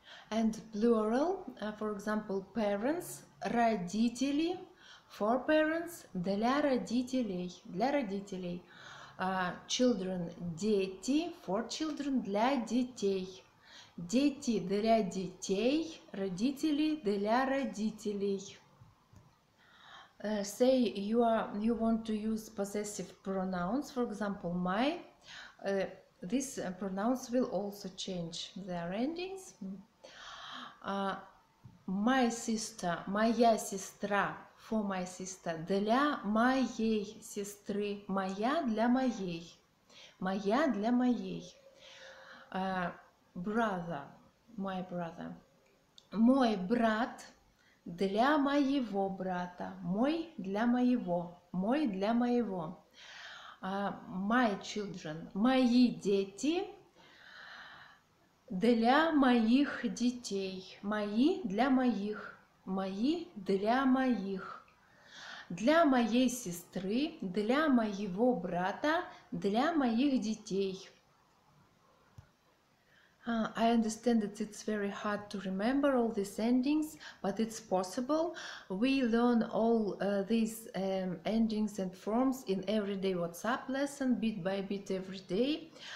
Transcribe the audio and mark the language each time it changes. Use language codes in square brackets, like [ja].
[en] And plural. For example, parents. Родители. For parents. [ru] Для родителей. Для родителей. Children, дети, [en] for children, [ru] для детей. Дети для детей, родители для родителей. [en] Say you want to use possessive pronouns, for example, my. These pronouns will also change their endings. My sister, [ru] моя сестра. [en] For my sister, [ru] для моей сестры, моя для моей, моя для моей. [en] Brother, my brother. [ru] Мой брат для моего брата, мой для моего, мой для моего. [en] My children, [ru] мои дети для моих детей, мои для моих, мои для моих. Для моей сестры, для моего брата, для моих детей. [en] I understand that it's very hard to remember all these endings, but it's possible. We learn all these endings and forms in everyday WhatsApp lesson, bit by bit every day.